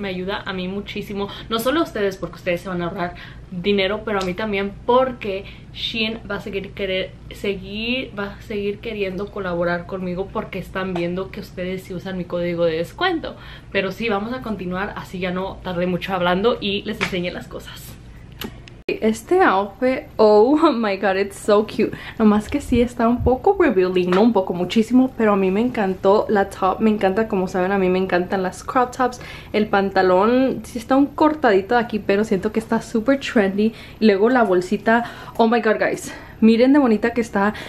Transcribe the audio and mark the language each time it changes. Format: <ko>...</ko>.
<es>Me ayuda a mí muchísimo, no solo a ustedes porque ustedes se van a ahorrar dinero, pero a mí también, porque Shein va a seguir queriendo colaborar conmigo porque están viendo que ustedes sí usan mi código de descuento. Pero sí, vamos a continuar, así ya no tardé mucho hablando y les enseñé las cosas.</es> <en>Este outfit, oh my god, it's so cute.</en> <es>Nomás que sí está un poco revealing, no un poco, muchísimo, pero a mí me encantó la top. Me encanta, como saben, a mí me encantan las crop tops. El pantalón sí está un cortadito de aquí, pero siento que está super trendy. Y luego la bolsita,</es> <en>oh my god, guys,</en> <es>miren de bonita que está.</es>